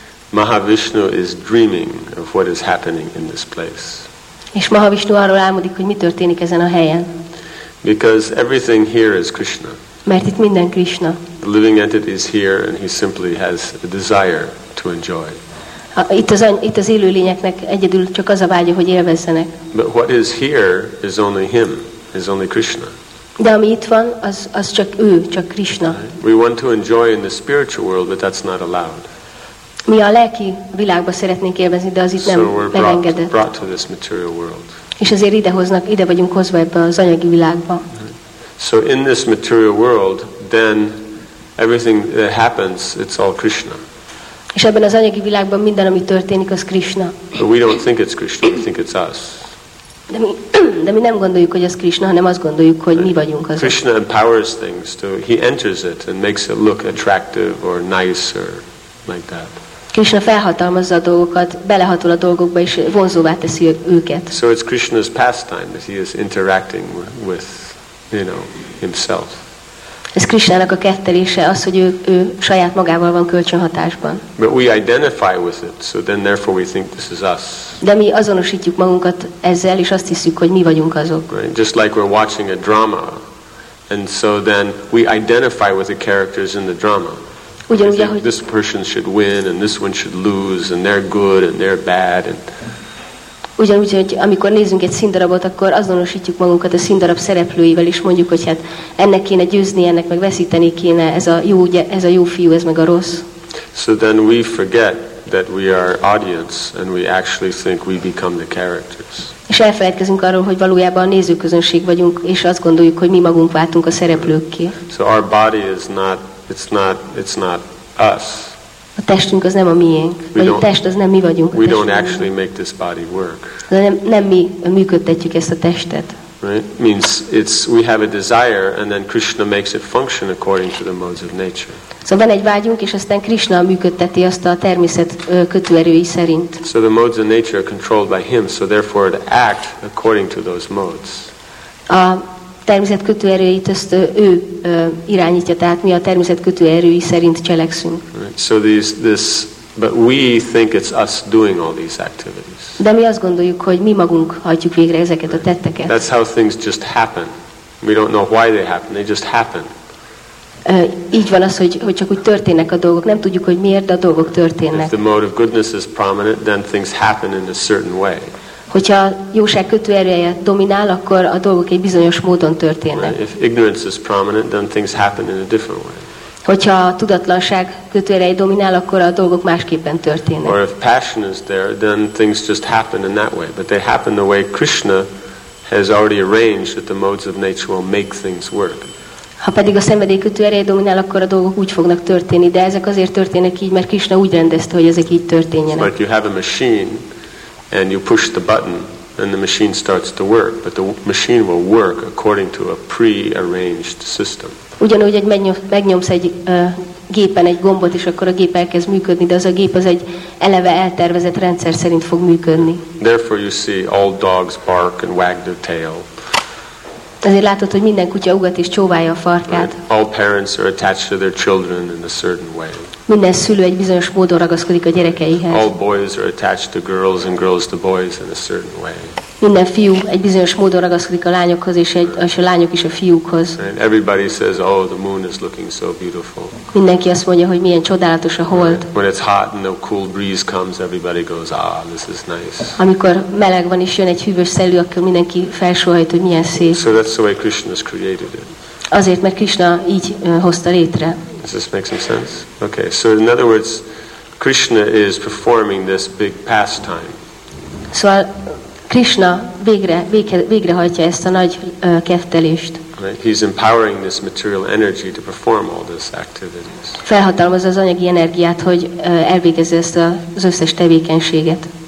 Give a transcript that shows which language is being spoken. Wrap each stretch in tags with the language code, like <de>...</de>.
<en>Mahavishnu is dreaming of what is happening in this place.</en> <hu>És Mahavishnu arról álmodik, hogy mi történik ezen a helyen.</hu> <en>Because everything here is Krishna.</en> <hu>Mert itt minden Krishna.</hu> <en>The living entity is here, and he simply has a desire to enjoy.</en> <hu>Itt az élő lényeknek egyedül csak az a vágya, hogy élvezzenek.</hu> <en>But what is here is only him, is only Krishna. De ami itt van, az csak ő, csak Krishna. Right? We want to enjoy in the spiritual world, but that's not allowed.</en> <hu>Mi a lelki világba szeretnénk élvezni, de az itt nem megengedett.</hu> <en>So we're brought to this material world.</en> <hu>És azért ide vagyunk hozva ebbe az anyagi világba.</hu> <en>So in this material world, then everything that happens, it's all Krishna.</en> <hu>És ebben az anyagi világban minden, ami történik, az Krishna.</hu> <en>But we don't think it's Krishna, we think it's us.</en> <hu>De mi nem gondoljuk, hogy az Krishna, hanem azt gondoljuk, hogy mi vagyunk azok.</hu> <en>Krishna empowers things, so he enters it and makes it look attractive or nice or like that.</en> <hu>Krishna felhatalmazza a dolgokat, belehatol a dolgokba, és vonzóvá teszi őket.</hu> <en>So it's Krishna's pastime that he is interacting with, you know, himself.</en> <hu>Ez Krishnának a kettelése, az, hogy ő saját magával van kölcsönhatásban.</hu> <en>But we identify with it, so then therefore we think this is us.</en> <hu>De mi azonosítjuk magunkat ezzel, és azt hiszük, hogy mi vagyunk azok.</hu> <en>Right. Just like we're watching a drama, and so then we identify with the characters in the drama.</en> <hu>Ugyanúgy, ahogy</hu> <en>this person should win, and this one should lose, and they're good, and they're bad, and</en> <hu>ugyanúgy, hogy amikor nézünk egy színdarabot, akkor azonosítjuk magunkat a színdarab szereplőivel, és mondjuk, hogy hát ennek kéne győzni, ennek meg veszíteni kéne, ez a jó fiú, ez meg a rossz.</hu> <en>So then we forget that we are audience and we actually think we become the characters.</en> <hu>És elfelejtkezünk arról, hogy valójában a nézőközönség vagyunk, és azt gondoljuk, hogy mi magunk váltunk a szereplőkké.</hu> <en>So our body is not, it's not us.</en> <hu>A testünk az nem a miénk, vagy a test az nem mi vagyunk.</hu> <en>We don't actually make this body work.</en> <hu>Nem mi működtetjük ezt a testet.</hu> <en>Right? Means it's we have a desire and then Krishna makes it function according to the modes of nature.</en> <hu>So van egy vágyunk, és aztán Krishna működteti azt a természet kötőerői szerint.</hu> <en>So the modes of nature are controlled by him, so therefore it act according to those modes.</en> <hu>A természet kötőerőit ezt ő irányítja, tehát mi a természet kötőerői szerint cselekszünk.</hu> <en>Right. So but we think it's us doing all these activities.</en> <hu>De mi azt gondoljuk, hogy mi magunk hajtjuk végre ezeket a tetteket.</hu> <en>That's how things just happen. We don't know why they happen. They just happen.</en> <hu>Így van az, hogy csak úgy történnek a dolgok. Nem tudjuk, hogy miért, de a dolgok történnek.</hu> <en>If the mode of goodness is prominent, then things happen in a certain way.</en> <hu>Hogyha a jóság kötőereje dominál, akkor a dolgok egy bizonyos módon történnek.</hu> <en>Right. If ignorance is prominent, then things happen in a different way.</en> <hu>Hogyha a tudatlanság kötőerei dominál, akkor a dolgok másképpen történnek.</hu> <en>Or if passion is there, then things just happen in that way. But they happen the way Krishna has already arranged that the modes of nature will make things work.</en> <hu>Ha pedig a szenvedély kötőerei dominál, akkor a dolgok úgy fognak történni. De ezek azért történnek így, mert Krishna úgy rendezte, hogy ezek így történjenek.</hu> <en>But you have a machine, and you push the button, and the machine starts to work. But the machine will work according to a pre-arranged system.</en> <hu>Ugyanúgy, hogy megnyomsz egy gépen egy gombot, és akkor a gép elkezd működni, de az a gép az egy eleve eltervezett rendszer szerint fog működni.</hu> <en>Therefore you see all dogs bark and wag their tail.</en> <hu>Ezért látod, hogy minden kutya ugat és csóválja a farkát.</hu> <en>Right? All parents are attached to their children in a certain way.</en> <hu>Minden szülő egy bizonyos módon ragaszkodik a gyerekeihez.</hu> <en>All boys are attached to girls and girls to boys in a certain way.</en> <hu>Minden fiú egy bizonyos módon ragaszkodik a lányokhoz, és a lányok is a fiúkhoz.</hu> <en>And everybody says, oh, the moon is looking so beautiful.</en> <hu>Mindenki azt mondja, hogy milyen csodálatos a hold.</hu> <en>When it's hot and the cool breeze comes, everybody goes, ah, this is nice.</en> <hu>Amikor meleg van és jön egy hűvös szellő, akkor mindenki felsóhajt, hogy milyen szép.</hu> <en>So that's the way Krishna's created it.</en> <hu>Azért, mert Krishna így hozta létre.</hu> <en>Does this make some sense? Okay, so in other words, Krishna is performing this big pastime.</en> <hu>Szóval Krishna végrehajtja ezt a nagy keftelést.</hu> <en>Right. He's empowering this material energy to perform all these activities.</en> <hu>Felhatalmazza az anyagi energiát, hogy elvégezze ezt az összes tevékenységet.</hu>